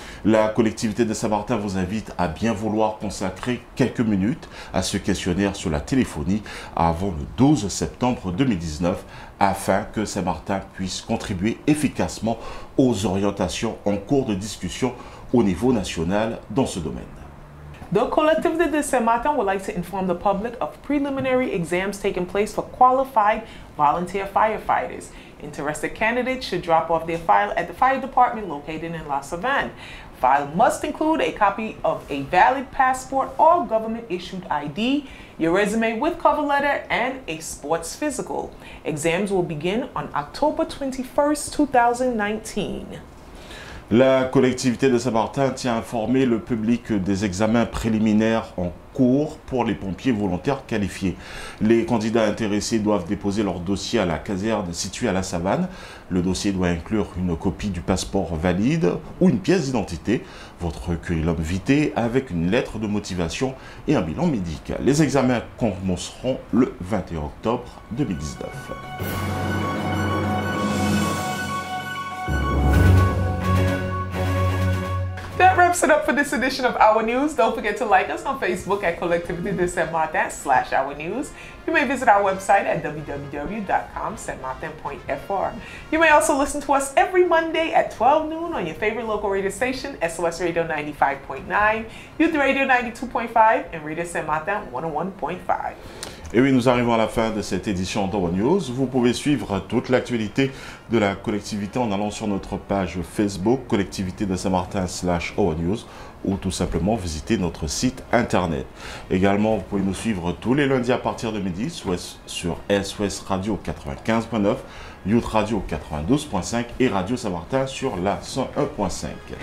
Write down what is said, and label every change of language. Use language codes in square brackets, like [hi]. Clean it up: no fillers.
[fr] La collectivité de Saint-Martin vous invite à bien vouloir consacrer quelques minutes à ce questionnaire sur la téléphonie avant le 12 septembre 2019 afin que Saint-Martin puisse contribuer efficacement aux orientations en cours de discussion au niveau national dans ce domaine. [en] The collectivité de Saint-Martin would like to inform the public of preliminary exams taking place for qualified volunteer firefighters. Interested candidates should drop off their file at the fire department located in La Savane. File must include a copy of a valid passport or government-issued ID, your resume with cover letter, and a sports physical. Exams will begin on October 21st, 2019. [fr] La collectivité de Saint-Martin tient à informer le public des examens préliminaires en cours pour les pompiers volontaires qualifiés. Les candidats intéressés doivent déposer leur dossier à la caserne située à La Savane. Le dossier doit inclure une copie du passeport valide ou une pièce d'identité, votre curriculum vitae avec une lettre de motivation et un bilan médical. Les examens commenceront le 21 octobre 2019. [en] Set up for this edition of Our News. Don't forget to like us on Facebook at Collectivité de Saint-Martin/Our News. You may visit our website at www.com/saintmartin.fr. You may also listen to us every Monday at 12 noon on your favorite local radio station, SOS Radio 95.9, Youth Radio 92.5, and Radio Saint-Martin 101.5. [fr] Et oui, nous arrivons à la fin de cette édition d'Our News. Vous pouvez suivre toute l'actualité de la collectivité en allant sur notre page Facebook, collectivité de Saint-Martin/Our News, ou tout simplement visiter notre site internet. Également, vous pouvez nous suivre tous les lundis à partir de midi sur SOS Radio 95.9, Youth Radio 92.5 et Radio Saint-Martin sur la 101.5.